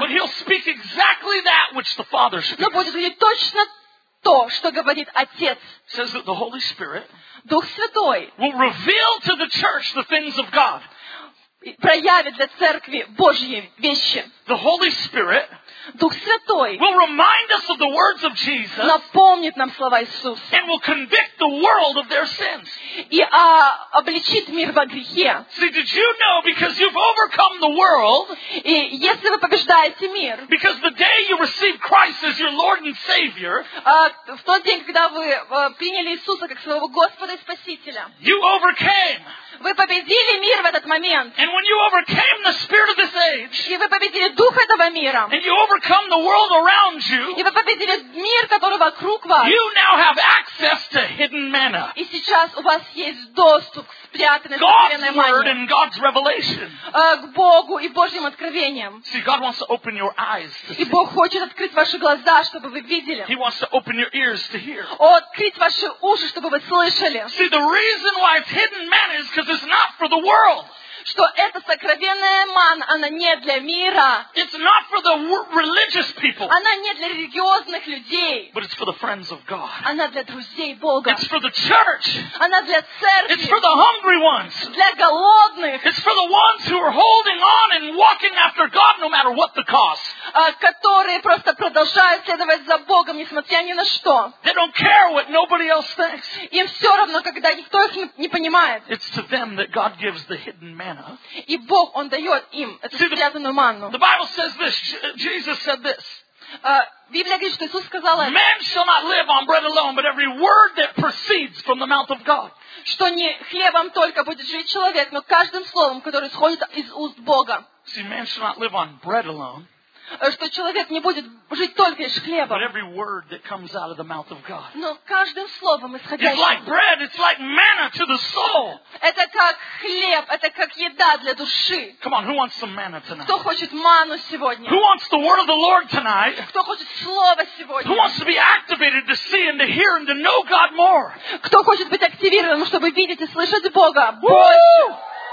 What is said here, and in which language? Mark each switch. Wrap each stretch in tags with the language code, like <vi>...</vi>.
<en>But He'll speak exactly that which the Father speaks.</en> <ru>Но будет говорить точно то, что говорит Отец.</ru> <en>Says that the Holy Spirit.</en> <ru>Дух Святой.</ru> <en>Will reveal to the church the things of God.</en> <ru>Проявит для церкви Божьи вещи.</ru> <en>The Holy Spirit.</en> <ru>Дух Святой.</ru> <en>Will remind us of the words of Jesus.</en> <ru>Напомнит нам слова Иисуса.</ru> <en>And will convict the world of their sins.</en> <ru>И обличит мир во грехе.</ru> <en>See, did you know because you've overcome the world?</en> <ru>И если вы побеждаете мир.</ru> <en>Because the day you receive Christ as your Lord and Savior.</en> <ru>В тот день, когда вы приняли Иисуса как своего Господа и Спасителя.</ru> <en>You overcame.</en> <ru>Вы победили мир в этот момент.</ru> <en>And when you overcame the spirit of this age.</en> <ru>И вы победили дух этого мира.</ru> <en>And you overcome the world around you.</en> <ru>И вы победили мир, который вокруг вас.</ru> <en>You now have access to hidden manna.</en> <ru>И сейчас у вас есть доступ к спрятанной</ru> <en>God's word and God's revelation.</en> <ru>К Богу и Божьим откровениям.</ru> <en>See, God wants to open your eyes to see.</en> <ru>И Бог хочет открыть ваши глаза, чтобы вы видели.</ru> <en>He wants to open your ears to hear.</en> <ru>Открыть ваши уши, чтобы вы слышали.</ru> <en>See, the reason why it's hidden manna is because it's not for the world.</en> <ru>Что эта сокровенная манна, она не для мира.</ru> <en>It's not for the religious people.</en> <ru>Она не для религиозных людей.</ru> <en>But it's for the friends of God.</en> <ru>Она для друзей Бога.</ru> <en>It's for the church.</en> <ru>Она для церкви.</ru> <en>It's for the hungry ones.</en> <ru>Для голодных.</ru> <en>It's for the ones who are holding on and walking after God, no matter what the cost.</en> <ru>Которые просто продолжают следовать за Богом, несмотря ни на что.</ru> <en>They don't care what nobody else thinks.</en> <ru>Им все равно, когда никто их не понимает.</ru> <en>It's to them that God gives the hidden manna.</en> <ru>И Бог, Он дает им эту спрятанную манну.</ru> <en>The Bible says this, Jesus said this.</en> <ru>Библия говорит, что Иисус сказал это.</ru> <en>Man shall not live on bread alone, but every word that proceeds from the mouth of God.</en> <ru>Что не хлебом только будет жить человек, но каждым словом, которое исходит из уст Бога.</ru> <en>See, man shall not live on bread alone.</en> <ru>Что человек не будет жить только лишь хлебом.</ru> <en>But every word that comes out of the mouth of God.</en> <ru>Но каждым словом исходящим.</ru> <en>It's like bread, it's like manna to the soul.</en> <ru>Это как хлеб, это как еда для души.</ru> <en>Come on, who wants some manna tonight?</en> <ru>Кто хочет ману сегодня?</ru> <en>Who wants the word of the Lord tonight?</en> <ru>Кто хочет слово сегодня?</ru> <en>Who wants to be activated to see and to hear and to know God more?</en> <ru>Кто хочет быть активированным, чтобы видеть и слышать Бога больше?</ru>